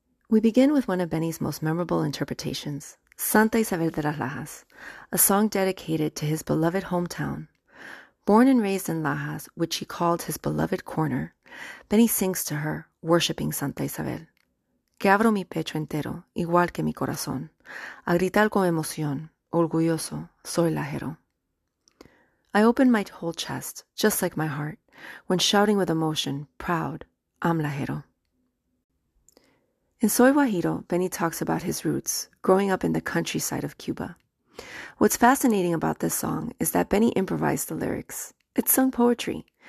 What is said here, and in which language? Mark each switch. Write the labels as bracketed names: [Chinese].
[English] We begin with one of Beny's most memorable interpretations, Santa Isabel de las Lajas, a song dedicated to his beloved hometown. Born and raised in Lajas, which he called his beloved corner, Beny sings to her, worshiping Santa Isabel. [Spanish] Que abro mi pecho entero, igual que mi corazón, a gritar con emoción, orgulloso, soy lajero. [English] I open my whole chest, just like my heart, when shouting with emotion, proud, I'm lajero. In Soy Guajiro, Beny talks about his roots, growing up in the countryside of Cuba. What's fascinating about this song is that Beny improvised the lyrics. It's sung poetry.